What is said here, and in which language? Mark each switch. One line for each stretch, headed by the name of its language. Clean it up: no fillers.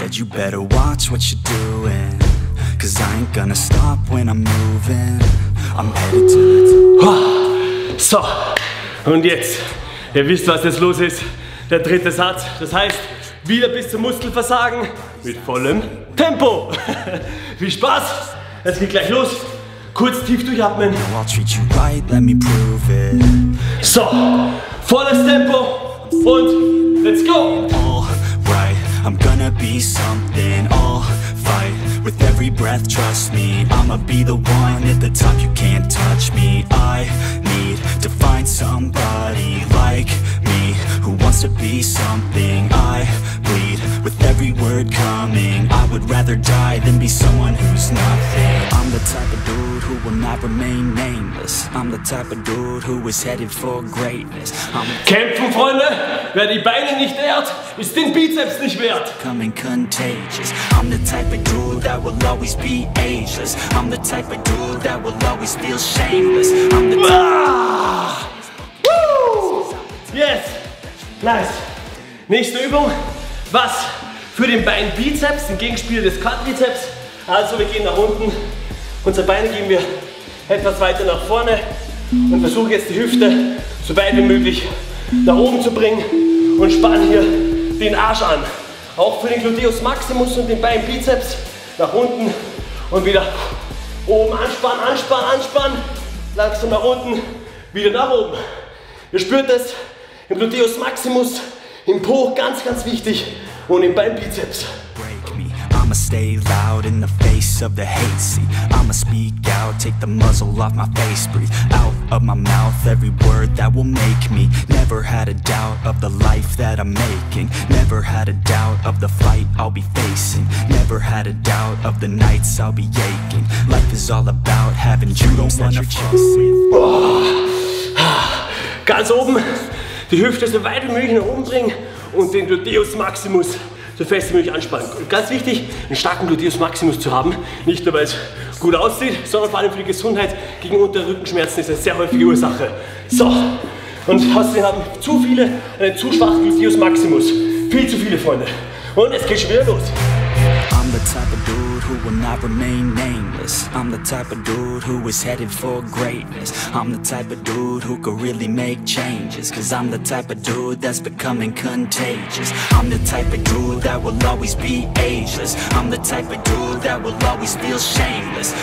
English: Better watch what you're doing, 'cause I ain't gonna stop when I'm moving. I'm headed to the...
German: So, und jetzt, ihr wisst, was jetzt los ist. Der dritte Satz, das heißt, wieder bis zum Muskelversagen mit vollem Tempo. Viel Spaß, es geht gleich los. Kurz tief durchatmen.
English: I'll treat you right, let me prove it. So,
German: volles Tempo und
English: let's go. I'm gonna be something, I'll fight with every breath, trust me. I'ma be the one at the top, you can't touch me. I need to find somebody like me, who wants to be something. I bleed with every word coming, I would rather die than be someone who's nothing. I'm the type of dude who will not remain nameless. I'm the type of dude who is headed for greatness.
German: Kämpfen, Freunde! Wer die Beine nicht ehrt, ist den Bizeps nicht wert.
English: Coming contagious. I'm the type of dude that will always be ageless. I'm the type of dude that will always feel shameless. I'm the type. Woo! Yes! Nice!
German: Nächste Übung. Was für den Beinbizeps, ein Gegenspieler des Quadrizeps. Also wir gehen nach unten. Unsere Beine geben wir etwas weiter nach vorne und versuchen jetzt die Hüfte so weit wie möglich nach oben zu bringen und spannen hier den Arsch an. Auch für den Gluteus Maximus und den Beinbizeps nach unten und wieder oben anspannen, anspannen, anspannen. Langsam nach unten, wieder nach oben. Ihr spürt es im Gluteus Maximus, im Po ganz, ganz wichtig und im Beinbizeps.
English: I'ma stay loud in the face of the hate, see. I'ma speak out, take the muzzle off my face, breathe out of my mouth every word that will make me. Never had a doubt of the life that I'm making. Never had a doubt of the fight I'll be facing. Never had a doubt of the nights I'll be aching. Life is all about having dreams that you're chasing.
German: Ganz oben, die Hüfte so weit wie möglich nach oben bringen und den Gluteus Maximus so fest wie möglich anspannen. Und ganz wichtig, einen starken Gluteus Maximus zu haben. Nicht nur, weil es gut aussieht, sondern vor allem für die Gesundheit. Gegen untere Rückenschmerzen ist eine sehr häufige Ursache. So, und außerdem haben zu viele einen zu schwachen Gluteus Maximus. Viel zu viele, Freunde. Und es geht schon wieder los.
English: I'm the type of dude who will not remain nameless. I'm the type of dude who is headed for greatness. I'm the type of dude who could really make changes. 'Cause I'm the type of dude that's becoming contagious. I'm the type of dude that will always be ageless. I'm the type of dude that will always feel shameless.